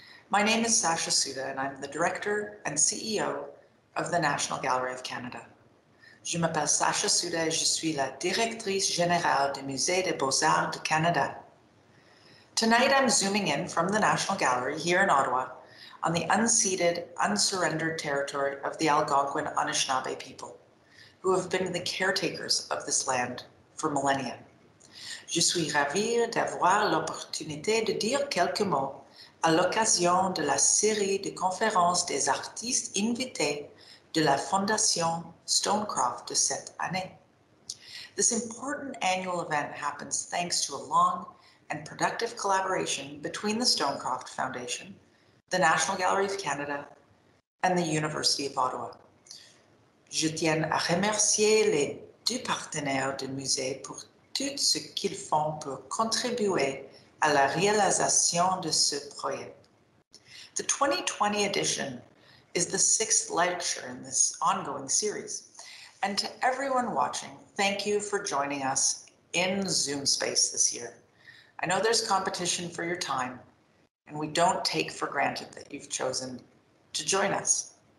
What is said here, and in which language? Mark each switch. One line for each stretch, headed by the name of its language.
English: My name is Sasha Suda, and I'm the director and CEO of the National Gallery of Canada.
French: Je m'appelle Sasha Suda et je suis la directrice générale du Musée des Beaux-Arts du Canada.
English: Tonight, I'm zooming in from the National Gallery here in Ottawa on the unceded, unsurrendered territory of the Algonquin Anishinaabe people, who have been the caretakers of this land for millennia.
French: Je suis ravie d'avoir l'opportunité de dire quelques mots à l'occasion de la série de conférences des artistes invités de la Fondation Stonecroft de cette année.
English: This important annual event happens thanks to a long and productive collaboration between the Stonecroft Foundation, the National Gallery of Canada, and the University of Ottawa.
French: Je tiens à remercier les deux partenaires du musée pour tout ce qu'ils font pour contribuer à la réalisation de ce projet.
English: The 2020 edition is the sixth lecture in this ongoing series. And to everyone watching, thank you for joining us in Zoom space this year. I know there's competition for your time, and we don't take for granted that you've chosen to join us.